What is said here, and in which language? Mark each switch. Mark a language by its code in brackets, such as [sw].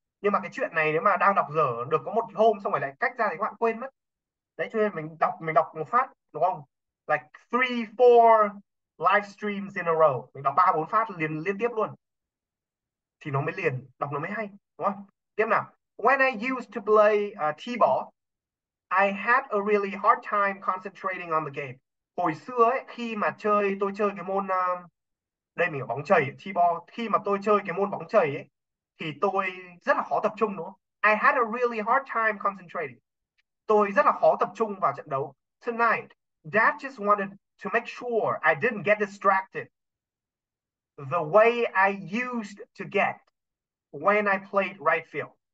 [vi] nhưng mà cái chuyện này nếu mà đang đọc dở được có một hôm xong rồi lại cách ra thì các bạn quên mất đấy, cho nên mình đọc một phát đúng không, [en] like three four live streams in a row, [vi] mình đọc ba bốn phát liền liên tiếp luôn thì nó mới liền, đọc nó mới hay, đúng không? Tiếp nào. [en] When I used to play t-ball, I had a really hard time concentrating on the game. [vi] Hồi xưa ấy, khi mà chơi, tôi chơi cái môn, đây mình ở bóng chày, t-ball, khi mà tôi chơi cái môn bóng chày ấy, thì tôi rất là khó tập trung, đúng không? [en] I had a really hard time concentrating. [vi] Tôi rất là khó tập trung vào trận đấu. [en] Tonight, Dad just wanted to make sure I didn't get distracted the way I used to get when I played right field.